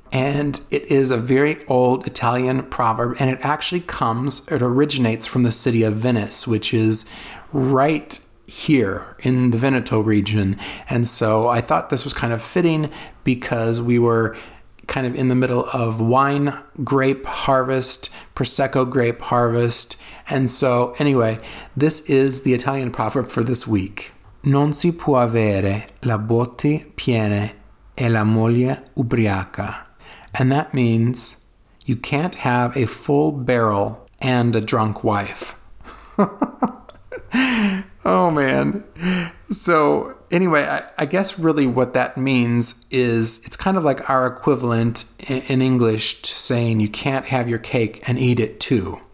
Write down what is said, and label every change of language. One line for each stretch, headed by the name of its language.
English: And it is a very old Italian proverb, and it originates from the city of Venice, which is right here in the Veneto region. And so I thought this was kind of fitting because we were kind of in the middle of wine grape harvest, Prosecco grape harvest. And so anyway, this is the Italian proverb for this week.
Italian: Non si può avere la botte piena e la moglie ubriaca.
English: And that means you can't have a full barrel and a drunk wife. Oh, man. So anyway, I guess really what that means is it's kind of like our equivalent in English to saying you can't have your cake and eat it too.